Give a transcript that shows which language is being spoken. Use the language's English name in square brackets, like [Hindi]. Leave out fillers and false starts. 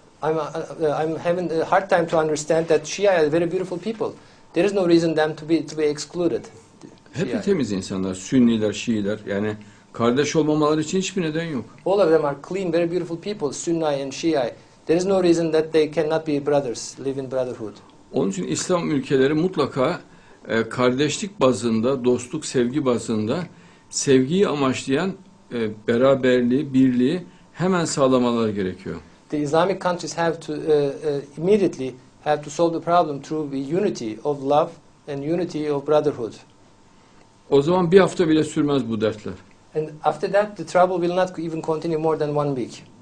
[English] I'm having a hard time to understand that Shia are very beautiful people. There is no reason them to be excluded. [Turkish] Hep temiz insanlar, Sünniler, Şiiler. Yani kardeş olmamaları için hiçbir neden yok. [English] All of them are clean, very beautiful people, Sunni and Shia. There is no reason that they cannot be brothers, live in brotherhood. [Turkish] Onun için İslam ülkeleri mutlaka kardeşlik bazında, dostluk, sevgi bazında sevgiyi amaçlayan beraberliği, birliği hemen sağlamaları gerekiyor. [English] The Islamic countries have to immediately have to solve the problem through the unity of love and unity of brotherhood. [Turkish] O zaman bir hafta bile sürmez bu dertler. [English] And after that the trouble will not even continue more than one week.